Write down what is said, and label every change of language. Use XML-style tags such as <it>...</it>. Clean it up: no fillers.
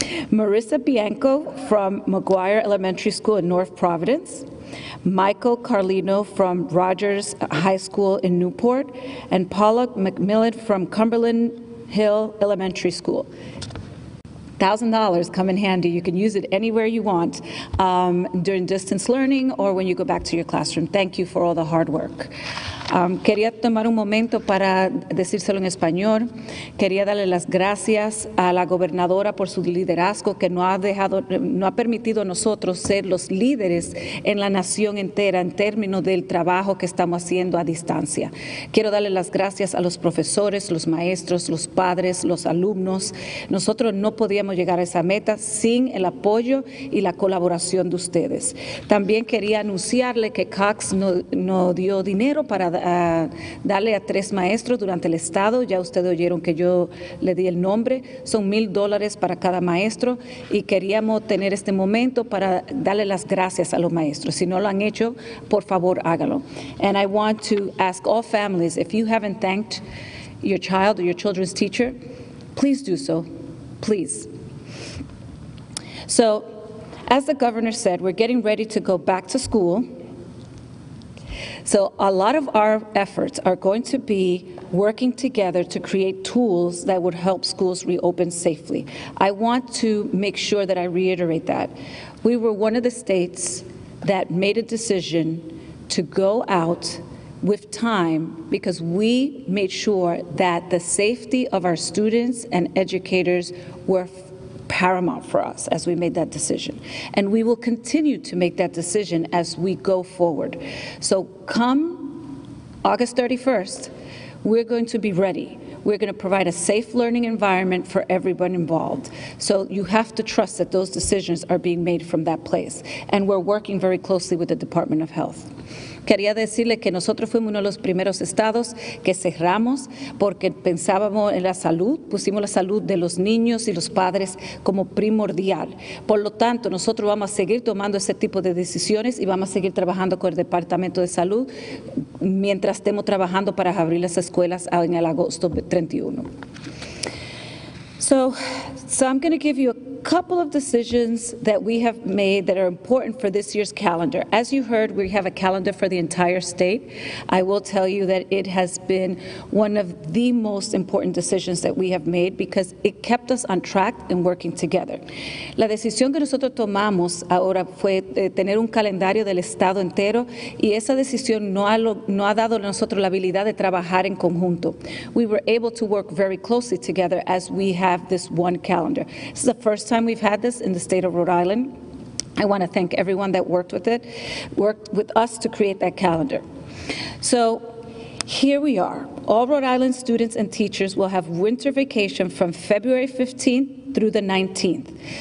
<en>Marissa Bianco from McGuire Elementary School in North Providence, Michael Carlino from Rogers High School in Newport, and Paula McMillan from Cumberland Hill Elementary School. $1,000 come in handy. You can use it anywhere you want during distance learning or when you go back to your classroom. Thank you for all the hard work.</en> <es>Quería tomar un momento para decírselo en español. Quería darle las gracias a la gobernadora por su liderazgo que no ha permitido a nosotros ser los líderes en la nación entera en términos del trabajo que estamos haciendo a distancia. Quiero darle las gracias a los profesores, los maestros, los padres, los alumnos. Nosotros no podíamos llegar a esa meta sin el apoyo y la colaboración de ustedes. También quería anunciarle que Cox no dio dinero para darle a tres maestros durante el estado. Ya ustedes oyeron que yo le di el nombre. Son $1,000 para cada maestro y queríamos tener este momento para darle las gracias a los maestros. Si no lo han hecho, por favor, hágalo.</es> <en>And I want to ask all families, if you haven't thanked your child or your children's teacher, please do so, please. So, as the governor said, we're getting ready to go back to school. So a lot of our efforts are going to be working together to create tools that would help schools reopen safely. I want to make sure that I reiterate that. We were one of the states that made a decision to go out with time because we made sure that the safety of our students and educators were paramount for us as we made that decision. And we will continue to make that decision as we go forward. So come August 31st, we're going to be ready. We're going to provide a safe learning environment for everyone involved. So you have to trust that those decisions are being made from that place. And we're working very closely with the Department of Health.</en> <es>Quería decirle que nosotros fuimos uno de los primeros estados que cerramos porque pensábamos en la salud, pusimos la salud de los niños y los padres como primordial. Por lo tanto, nosotros vamos a seguir tomando ese tipo de decisiones y vamos a seguir trabajando con el Departamento de Salud mientras estemos trabajando para abrir las escuelas en el agosto 31.</es> <en>So I'm going to give you a couple of decisions that we have made that are important for this year's calendar. As you heard, we have a calendar for the entire state. I will tell you that it has been one of the most important decisions that we have made because it kept us on track and working together.</en> <es>La decisión que nosotros tomamos ahora fue tener un calendario del estado entero y esa decisión no ha dado a nosotros la habilidad de trabajar en conjunto.</es> <en>We were able to work very closely together as we have this one calendar. This is the first time we've had this in the state of Rhode Island. I want to thank everyone that worked with us to create that calendar. So here we are. All Rhode Island students and teachers will have winter vacation from February 15th through the 19th.</en>